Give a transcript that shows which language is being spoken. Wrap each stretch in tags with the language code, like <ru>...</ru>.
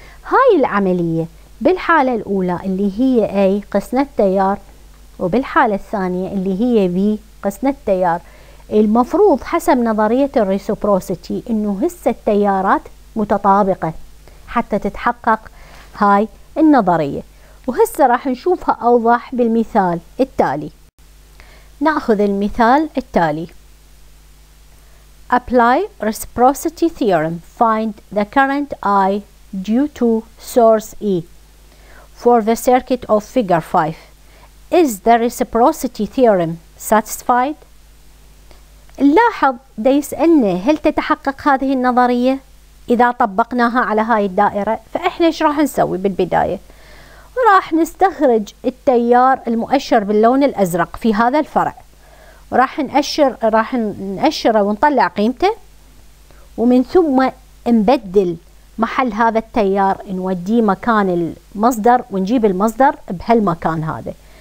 <ar>هاي العملية بالحالة الأولى اللي هي A قسنا التيار، وبالحالة الثانية اللي هي B قسنا التيار، المفروض حسب نظرية الريسبروسيتي انه هسه التيارات متطابقة حتى تتحقق هاي النظرية. وهسه راح نشوفها أوضح بالمثال التالي. نأخذ المثال التالي:</ar> <en>Apply reciprocity theorem. Find the current I due to source E for the circuit of figure 5. Is the reciprocity theorem satisfied?</en> <ar>نلاحظ دا يسألنا هل تتحقق هذه النظرية إذا طبقناها على هاي الدائرة؟ فإحنا إيش راح نسوي بالبداية؟ راح نستخرج التيار المؤشر باللون الأزرق في هذا الفرع، وراح نأشر ونطلع قيمته، ومن ثم نبدل محل هذا التيار، نوديه مكان المصدر ونجيب المصدر بهالمكان هذا.</ar>